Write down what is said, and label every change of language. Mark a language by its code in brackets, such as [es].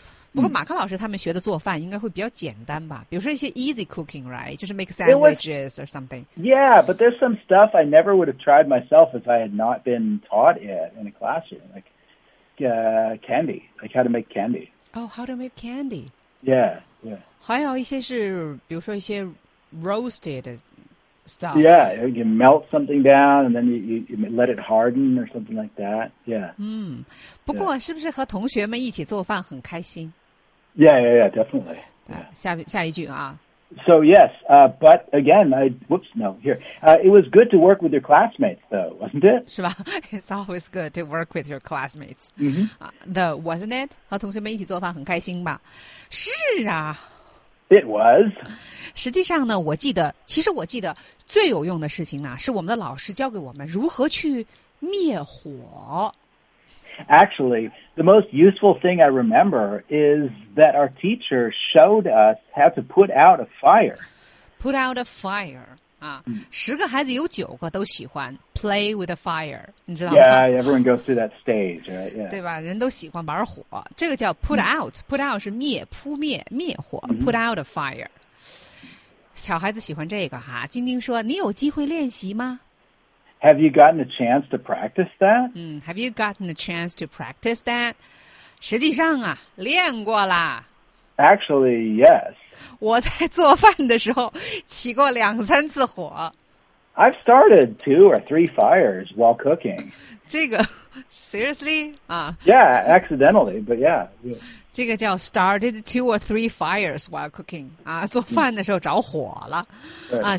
[zh] 你看看,做饭也学,这是。不过马克老师他们学的做饭应该会比较简单吧? 比如说一些 [en] easy cooking, right? [zh] 就是 [en] make sandwiches or something. Yeah, but there's some stuff I never would have tried myself if I had not been taught it in a classroom. Like candy, like how to make candy. Oh, how to make candy. Yeah, yeah. [zh] 还有一些是,比如说一些 [en] roasted stuff. Yeah, you melt something down and then you let it harden or something like that. Yeah. [zh] 不过是不是和同学们一起做饭很开心？ [en] Yeah, definitely. [zh] 下一句啊。 [en] So yes, but again, it was good to work with your classmates though, wasn't it? [zh] 是吧? [en] It's always good to work with your classmates. Wasn't it? [zh] 和同学们一起做饭很开心吧。是啊。 [en] It was. [zh] 实际上呢，我记得，其实我记得最有用的事情呢，是我们的老师教给我们如何去灭火。 [en] Actually, the most useful thing I remember is that our teacher showed us how to put out a fire. Put out a fire. [zh] 十个孩子有九个都喜欢 [en] play with a fire, [zh] 你知道吗? [en] Yeah, everyone goes through that stage, right? Yeah. [zh] 对吧?人都喜欢玩火。这个叫 put out, put out 是灭,扑灭,灭火, put out a fire. 小孩子喜欢这个哈。金丁说,你有机会练习吗? [en] Have you gotten a chance to practice that? Have you gotten a chance to practice that? [zh] 实际上啊,练过啦。 [en] Actually, yes. [zh] 我在做饭的时候起过两三次火。 [en] I've started two or three fires while cooking. [zh] 这个 , [en] seriously? Yeah, accidentally, but yeah. [zh] 这个叫 [en] started two or three fires while cooking. [zh] 做饭的时候着火了。